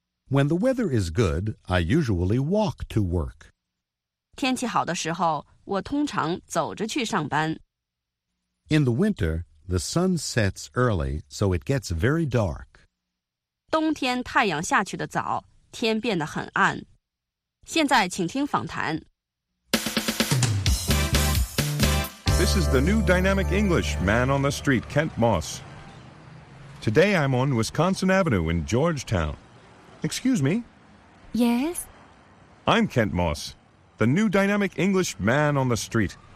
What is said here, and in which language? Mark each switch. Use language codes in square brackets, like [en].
[en] When the weather is good, I usually walk to work. [zh] 天气好的时候,我通常走着去上班。 [en] In the winter, the sun sets early, so it gets very dark. [zh] 冬天太阳下去的早,天变得很暗。现在请听访谈。 [en] This is the new dynamic English man on the street, Kent Moss. Today I'm on Wisconsin Avenue in Georgetown. Excuse me? Yes? I'm Kent Moss, the new dynamic English man on the street.